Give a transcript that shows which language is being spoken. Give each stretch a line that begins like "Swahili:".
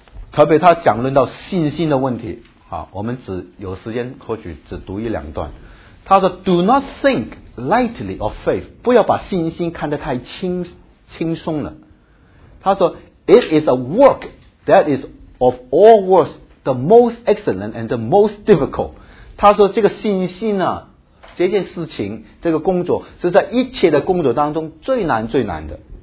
Chinese: 特别他讲论到信心的问题我们只有时间或许只读一两段，他说
English: Do not think lightly of faith，
Chinese: 不要把信心看得太 轻松了。他说
English: It is a work that is of all works the most excellent and the most difficult。
Chinese: 他说这个信心呢，这件事情，这个工作是在一切的工作当中最难最难的。